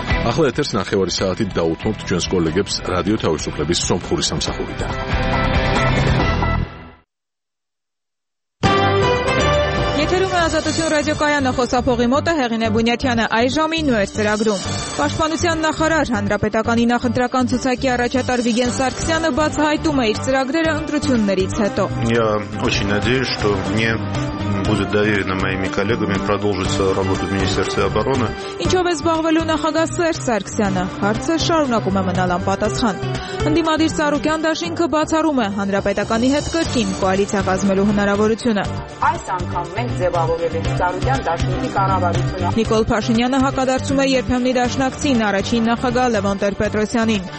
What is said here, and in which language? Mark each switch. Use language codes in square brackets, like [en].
[ka] ახლა ეთერს 9:30 საათით დაუთმობთ ჩვენს კოლეგებს რადიო თავისუფლების სომხური სამსახურიდან. [hy] Ատոչո ռադիո կայանը խոսափողի մոտ է Հեղինե Բունյատյանը այժմ ներ ծրագրում։ Պաշտպանության նախարար հանրապետականի նախընտրական ցուցակի առաջատար Վիգեն Սարգսյանը բացահայտում է իր ծրագրերը ընտրություններից հետո։ [ru] Я очень надеюсь, что мне будет доверено моими коллегами продолжить работу в Министерстве обороны։ [hy] Ինչով է զբաղվելու նախագահ Սերգ Սարգսյանը, հարցը շարունակում է մնալ անպատասխան։ Հնդիմադիր Սարուկյան Դաշինքը բացառում է հանրապետականի հետ կրկին կոալիցիա կազմելու հնարավորությունը։ Այս անգամ մենք ձևավորելենք Սարուկյան Դաշինքի կառավարությունը։ Նիկոլ Փաշինյանը հակադարձում է երբեմնի դաշնակցին առաջին նախագահ Լևոն Տեր-Պետրոսյանին։